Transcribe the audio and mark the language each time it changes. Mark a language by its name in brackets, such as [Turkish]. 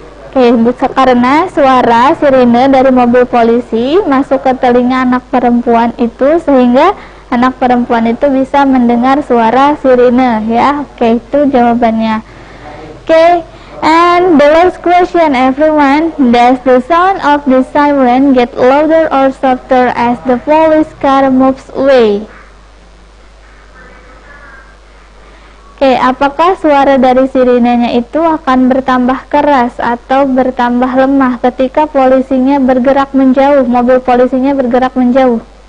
[Indonesian] Oke, karena suara sirine dari mobil polisi masuk ke telinga anak perempuan itu, sehingga anak perempuan itu bisa mendengar suara sirine ya. Oke, itu jawabannya. [English] Oke, and the last question everyone, does the sound of the siren get louder or softer as the police car moves away? [Indonesian] Oke, apakah suara dari sirinenya itu akan bertambah keras atau bertambah lemah ketika polisinya bergerak menjauh, mobil polisinya bergerak menjauh?